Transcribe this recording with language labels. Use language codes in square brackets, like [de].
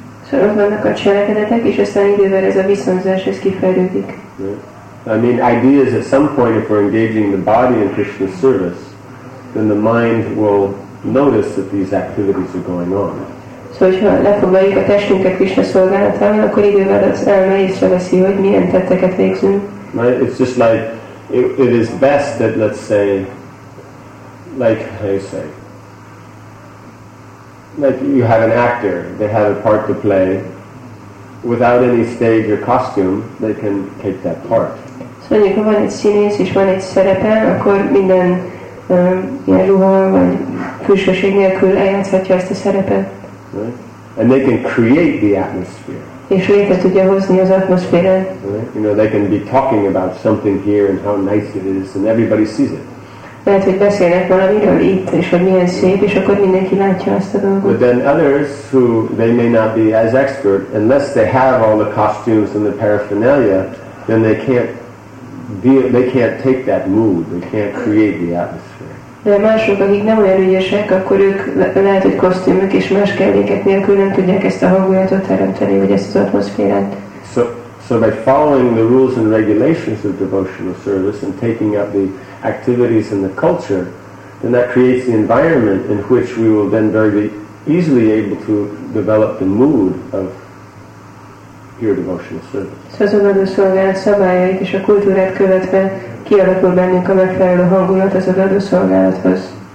[hu] Szóval ott vannak a cselekedetek, és aztán idővel ez a viszonzás, ez kifejlődik. [en] Yeah. I mean, ideas at some point, if we're engaging the body in Krishna's service, then the mind will notice that these activities are going on. [hu] Szóval, hogyha lefoglaljuk a testünket Krishna szolgálatában, akkor idővel az elme észreveszi, hogy milyen tetteket végzünk. [en] Right? It's just like, it is best that, let's say, like, how you say, like you have an actor, they have a part to play, without any stage or costume, they can take that part. So if [hu] van egy színész és van egy szerepe, akkor minden ilyen ruha vagy külsőség nélkül eljátszhatja ezt a szerepet. [en] Right? And they can create the atmosphere. [hu] És létre tudja hozni az atmoszférát. [en] Right? You know, they can be talking about something here and how nice it is, and everybody sees it. [hu] Lehet, hogy beszélnek valamiről itt, és hogy milyen szép, és akkor mindenki látja azt a dolgot. [en] But then others, who they may not be as expert, unless they have all the costumes and the paraphernalia, then they can't take that mood, they can't create the atmosphere. [hu] De mások, akik nem olyan ügyesek, akkor ők lehet, hogy kosztümök és más kelléket nélkül nem tudják ezt a hangulatot teremteni, vagy ezt az atmoszférát. [en] So by following the rules and regulations of devotional service and taking up the activities and the culture, then that creates the environment in which we will then very easily able to develop the mood of pure devotional service. [hu] So azonnal a szolgálat szabályait és a kultúrát követve kialakul bennünk a megfelelő hangulat az adó szolgálathoz.